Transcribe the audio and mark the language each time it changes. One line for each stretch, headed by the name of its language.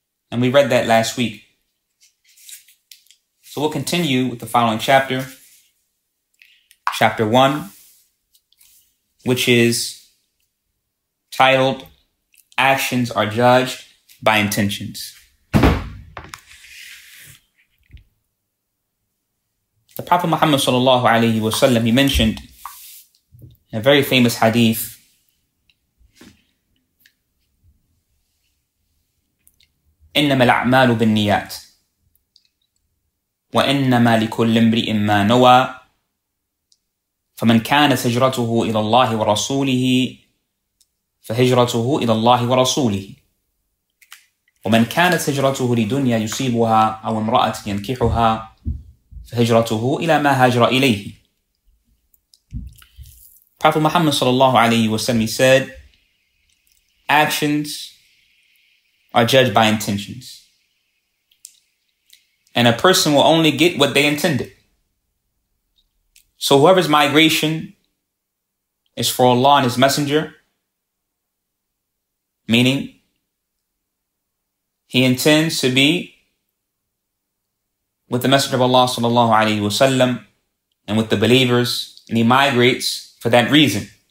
English: And we read that last week. So we'll continue with the following chapter. Chapter 1, which is titled, Actions Are Judged by Intentions. The Prophet Muhammad sallallahu alayhi wa sallam, he mentioned in a very famous hadith,
Arabic: إِنَّمَا الْأَعْمَالُ بِالنِّيَاتِ وَإِنَّمَا لِكُلِّ امْرِئٍ مَّا نَوَى فَمَنْ كَانَتْ هِجْرَتُهُ إِلَى اللَّهِ وَرَسُولِهِ فَهِجْرَتُهُ إِلَى اللَّهِ وَرَسُولِهِ وَمَنْ كَانَتْ هِجْرَتُهُ لِدُنْيَا يُصِيبُهَا أَوْ امْرَأَةٍ يَنْكِحُهَا فَهِجْرَتُهُ إِلَى مَا هَاجَرَ إِلَيْهِ.
English: Prophet Muhammad sallallahu alayhi wa sallam said, actions are judged by intentions. And a person will only get what they intended. So whoever's migration is for Allah and His Messenger, meaning he intends to be with the Messenger of Allah sallallahu alayhi wa sallam and with the believers, and he migrates for that reason.